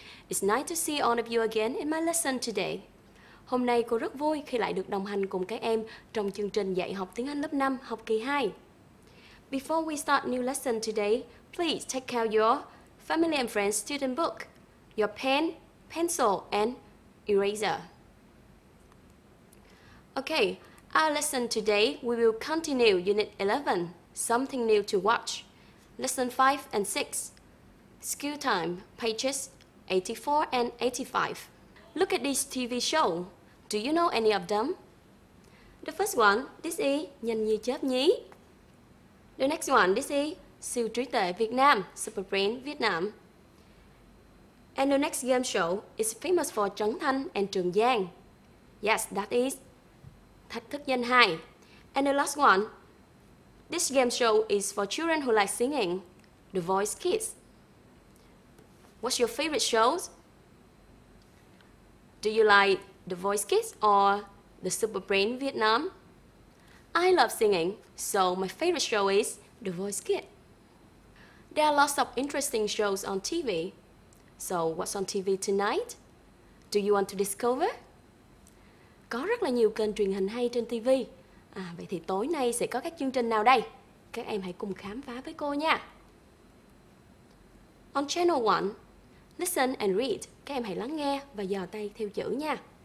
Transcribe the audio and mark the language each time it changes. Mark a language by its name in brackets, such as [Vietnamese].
[English] It's nice to see all of you again in my lesson today. [Vietnamese] Hôm nay cô rất vui khi lại được đồng hành cùng các em trong chương trình dạy học tiếng Anh lớp 5, học kỳ 2. [English] Before we start new lesson today, please take out your family and friends student book, your pen, pencil, and eraser. Okay. Our lesson today, we will continue Unit 11, Something New to Watch, Lesson 5 and 6, School Time, pages 84 and 85. Look at this TV show. Do you know any of them? The first one, this is Nhanh Như Chớp Nhí. The next one, this is Siêu Trí Tuệ Việt Nam, Super Brain Việt Nam. And the next game show is famous for Trấn Thanh and Trường Giang. Yes, that is Thách Thức Danh Hài. And the last one, this game show is for children who like singing, The Voice Kids. What's your favorite shows? Do you like The Voice Kids or The Super Brain Vietnam? I love singing, so my favorite show is The Voice Kids. There are lots of interesting shows on TV. So what's on TV tonight? Do you want to discover? [Vietnamese] Có rất là nhiều kênh truyền hình hay trên TV. À, vậy thì tối nay sẽ có các chương trình nào đây? Các em hãy cùng khám phá với cô nha. [English] On channel 1, listen and read. [Vietnamese] Các em hãy lắng nghe và dò tay theo chữ nha.